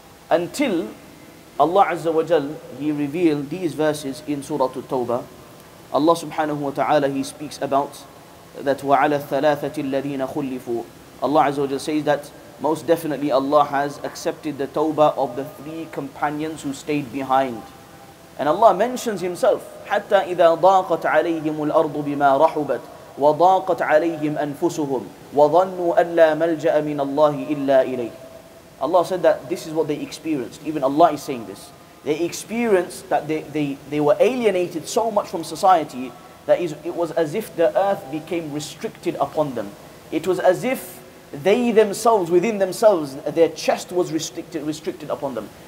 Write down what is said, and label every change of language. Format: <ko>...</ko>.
<en>Until Allah Azza wa Jal, he revealed these verses in Surah At-Tawbah. Allah subhanahu wa ta'ala, he speaks about that</en> <ar>وَعَلَى الثَّلَاثَةِ الَّذِينَ خُلِّفُوا.</ar> <en>Allah Azza wa Jal says that most definitely Allah has accepted the tawbah of the three companions who stayed behind. And Allah mentions himself,</en> <ar>حَتَّى إِذَا ضَاقَتْ عَلَيْهِمُ الْأَرْضُ بِمَا رَحُبَتْ وَضَاقَتْ عَلَيْهِمْ أَنفُسُهُمْ وَظَنُّوا أَلَّا مَلْجَأَ مِنَ اللَّهِ إِلَّا إِلَيْهِ.</ar> <en>Allah said that this is what they experienced. Even Allah is saying this. They experienced that they were alienated so much from society that it was as if the earth became restricted upon them. It was as if they themselves, within themselves, their chest was restricted upon them.</en>